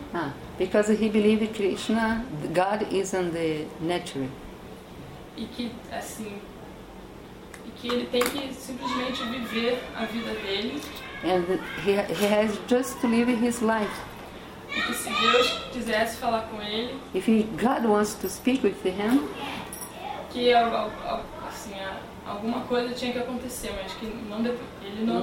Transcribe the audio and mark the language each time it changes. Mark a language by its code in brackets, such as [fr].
[en] Ah, because he believes Krishna, God is in the nature. [pt] E que assim, e que ele tem que simplesmente viver a vida dele. [en] And he has just to live his life. [pt] E que se Deus quisesse falar com ele, [en] if God wants to speak with him, [pt] que assim, alguma coisa tinha que acontecer, mas que não